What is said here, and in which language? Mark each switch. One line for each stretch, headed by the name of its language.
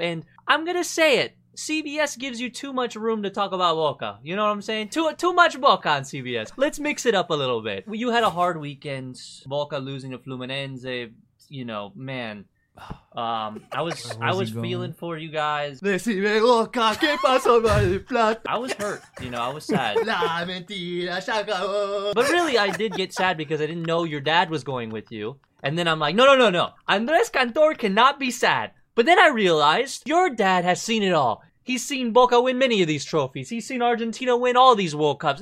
English: And I'm going to say it. CBS gives you too much room to talk about Boca. You know what I'm saying? Too much Boca on CBS. Let's mix it up a little bit. You had a hard weekend. Boca losing to Fluminense. You know, man. I was feeling for you guys.
Spanish: Decime, Boca, ¿qué pasó, Mar del Plata?
English: I was hurt. You know, I was sad.
Spanish: La mentira, se acabó.
English: But really, I did get sad because I didn't know your dad was going with you. And then I'm like, no. Andrés Cantor cannot be sad. But then I realized your dad has seen it all. He's seen Boca win many of these trophies. He's seen Argentina win all these World Cups.